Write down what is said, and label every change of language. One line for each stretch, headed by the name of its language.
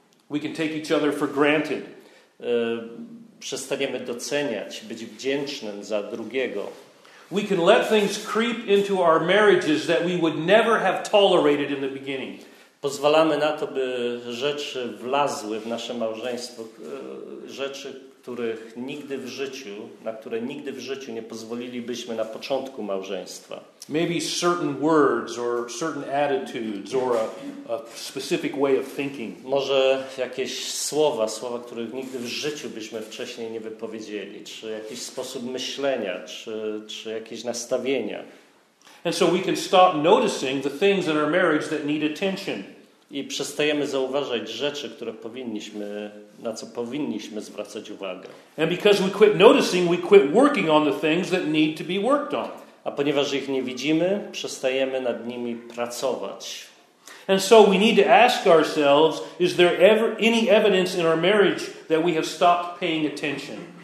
English: We can take each other for granted.
Polish: Przestaniemy doceniać, być wdzięcznym za drugiego.
English: We can let things creep into our marriages that we would never have tolerated in the beginning.
Polish: Pozwalamy na to, by rzeczy wlazły w nasze małżeństwo, rzeczy, których nigdy w życiu, na które nigdy w życiu nie pozwolilibyśmy na początku małżeństwa.
English: Maybe certain words or certain attitudes or a specific way of thinking.
Polish: Może jakieś słowa, słowa, których nigdy w życiu byśmy wcześniej nie wypowiedzieli, czy jakiś sposób myślenia, czy jakieś nastawienia.
English: And so we can stop noticing the things in our marriage that need attention.
Polish: I przestajemy zauważać rzeczy, które powinniśmy, na co powinniśmy zwracać uwagę.
English: And because we quit noticing, we quit working on the things that need to be worked on.
Polish: A ponieważ ich nie widzimy, przestajemy nad nimi pracować.
English: And so we need to ask ourselves, is there ever any evidence in our marriage that we have stopped paying attention?